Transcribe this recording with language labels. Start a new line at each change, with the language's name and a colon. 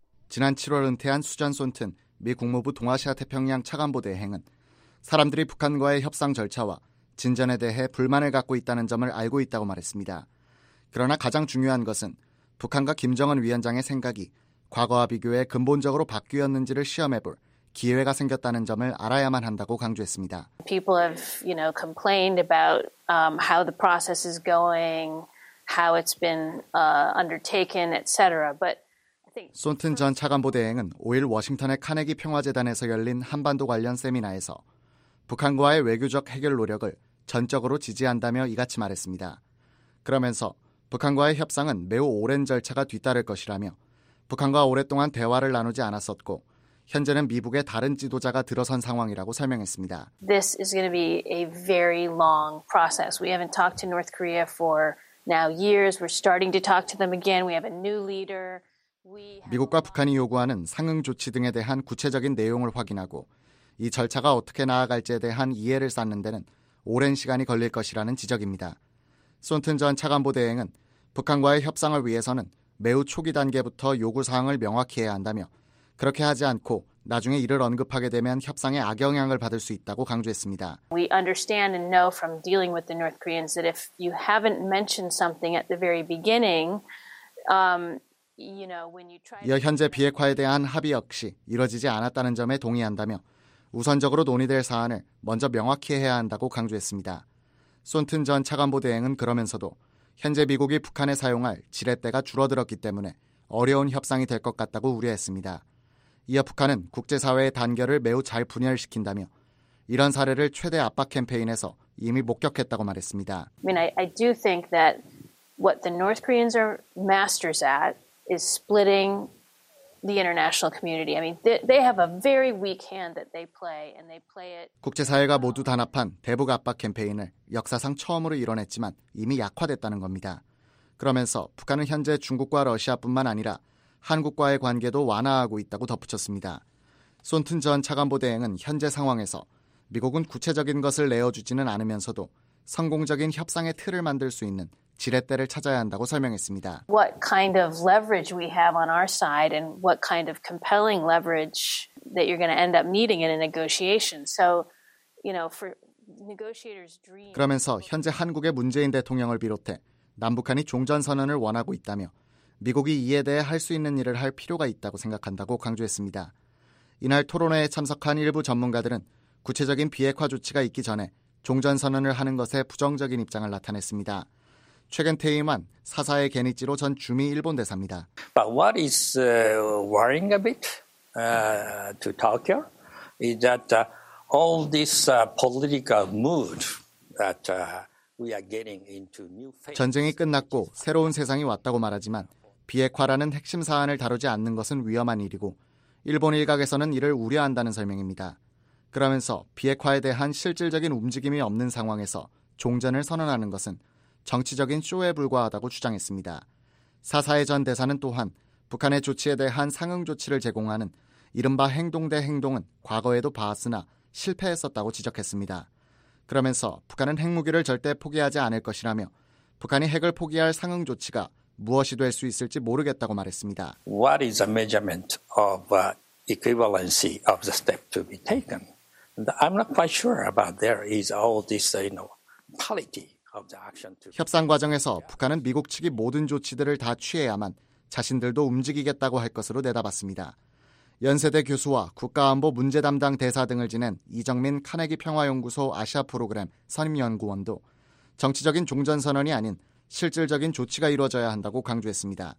Korean: 지난 7월 은퇴한 수잔 손튼 미 국무부 동아시아 태평양 차관보 대행은 사람들이 북한과의 협상 절차와 진전에 대해 불만을 갖고 있다는 점을 알고 있다고 말했습니다. 그러나 가장 중요한 것은 북한과 김정은 위원장의 생각이 과거와 비교해 근본적으로 바뀌었는지를 시험해볼 기회가 생겼다는 점을 알아야만 한다고 강조했습니다.
English: People have, you know, complained about how the process is going, how it's been undertaken, etc. But
Korean: 손튼 전 차관보 대행은 5일 워싱턴의 카네기 평화재단에서 열린 한반도 관련 세미나에서 북한과의 외교적 해결 노력을 전적으로 지지한다며 이같이 말했습니다. 그러면서 북한과의 협상은 매우 오랜 절차가 뒤따를 것이라며 북한과 오랫동안 대화를 나누지 않았었고 현재는 미국의 다른 지도자가 들어선 상황이라고 설명했습니다.
English: This is going to be a very long process. We haven't talked to North Korea for now years. We're starting to talk to them again. We have a new leader.
Korean: 미국과 북한이 요구하는 상응 조치 등에 대한 구체적인 내용을 확인하고 이 절차가 어떻게 나아갈지에 대한 이해를 쌓는 데는 오랜 시간이 걸릴 것이라는 지적입니다. 손튼 전 차관보 대행은 북한과의 협상을 위해서는 매우 초기 단계부터 요구 사항을 명확히 해야 한다며 그렇게 하지 않고 나중에 이를 언급하게 되면 협상에 악영향을 받을 수 있다고 강조했습니다.
English: We understand and know from dealing with the North Koreans that if you haven't mentioned something at the very beginning, you know, when you try
Korean: 이어 현재 비핵화에 대한 합의 역시 이뤄지지 않았다는 점에 동의한다며 우선적으로 논의될 사안을 먼저 명확히 해야 한다고 강조했습니다. 손튼 전 차관보 대행은 그러면서도 현재 미국이 북한에 사용할 지렛대가 줄어들었기 때문에 어려운 협상이 될 것 같다고 우려했습니다. 이어 북한은 국제사회의 단결을 매우 잘 분열시킨다며 이런 사례를 최대 압박 캠페인에서 이미 목격했다고 말했습니다.
English: I mean, I do think that what the North Koreans are masters at is splitting the international community. I mean, they have a very weak hand that they play, and they play it.
Korean: 국제사회가 모두 단합한 대북 압박 캠페인을 역사상 처음으로 이뤄냈지만 이미 약화됐다는 겁니다. 그러면서 북한은 현재 중국과 러시아뿐만 아니라 한국과의 관계도 완화하고 있다고 덧붙였습니다. 손튼 전 차관보 대행은 현재 상황에서 미국은 구체적인 것을 내어주지는 않으면서도 성공적인 협상의 틀을 만들 수 있는 지렛대를 찾아야 한다고 설명했습니다.
English: What kind of leverage we have on our side and what kind of compelling leverage that you're going to end up needing in a negotiation. So, you know, for negotiators dream.
Korean: 그러면서 현재 한국의 문재인 대통령을 비롯해 남북한이 종전선언을 원하고 있다며 미국이 이에 대해 할 수 있는 일을 할 필요가 있다고 생각한다고 강조했습니다. 이날 토론회에 참석한 일부 전문가들은 구체적인 비핵화 조치가 있기 전에 종전선언을 하는 것에 부정적인 입장을 나타냈습니다. 최근 퇴임한 사사의 게니치로 전 주미 일본 대사입니다.
English: But what is worrying a bit to Tokyo is that all this political mood that we are getting into new phase.
Korean: 전쟁이 끝났고 새로운 세상이 왔다고 말하지만 비핵화라는 핵심 사안을 다루지 않는 것은 위험한 일이고 일본 일각에서는 이를 우려한다는 설명입니다. 그러면서 비핵화에 대한 실질적인 움직임이 없는 상황에서 종전을 선언하는 것은 정치적인 쇼에 불과하다고 주장했습니다. 사사의 전 대사는 또한 북한의 조치에 대한 상응 조치를 제공하는 이른바 행동 대 행동은 과거에도 봤으나 실패했었다고 지적했습니다. 그러면서 북한은 핵무기를 절대 포기하지 않을 것이라며 북한이 핵을 포기할 상응 조치가 무엇이 될 수 있을지 모르겠다고 말했습니다.
English: What is a measurement of equivalency of the step to be taken? I'm not quite sure about there is all this, you know, quality.
Korean: 협상 과정에서 북한은 미국 측이 모든 조치들을 다 취해야만 자신들도 움직이겠다고 할 것으로 내다봤습니다. 연세대 교수와 국가안보 문제 담당 대사 등을 지낸 이정민 카네기 평화연구소 아시아 프로그램 선임연구원도 정치적인 종전선언이 아닌 실질적인 조치가 이루어져야 한다고 강조했습니다.